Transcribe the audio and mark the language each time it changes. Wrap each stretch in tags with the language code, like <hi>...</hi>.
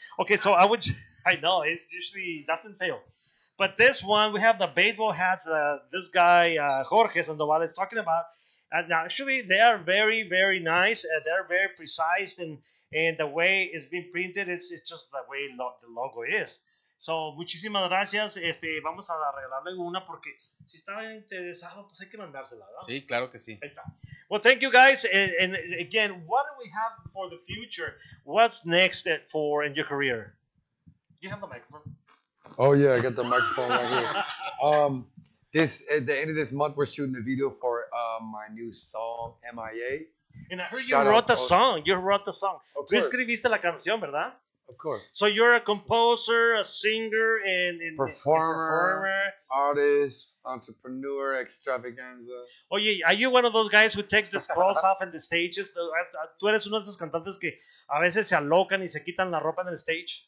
<en>Okay, so I know, it usually doesn't fail. But this one, we have the baseball hats. This guy, Jorge Sandoval, is talking about. And actually, they are very, very nice. They're very precise. And the way it's been printed, it's just the way the logo is.</en> <es>So, muchísimas gracias. Vamos a regalarle una porque si está interesado, pues hay que mandársela, ¿no? Sí, claro que sí. Ahí está.</es> <en>Well, thank you guys. And again, what do we have for the future? What's next for in your career? You have the microphone. Oh, yeah, I got the microphone right here. This at the end of this month, we're shooting a video for my new song, M.I.A. And I heard you wrote the song.</en> <es>Tú escribiste la canción, ¿verdad?</es> <en>Of course. So you're a composer, a singer, and performer, artist, entrepreneur, extravaganza. Oye, are you one of those guys who take the clothes off in the stages?</en> <es>¿Tú eres uno de esos cantantes que a veces se alocan y se quitan la ropa en el stage?</es>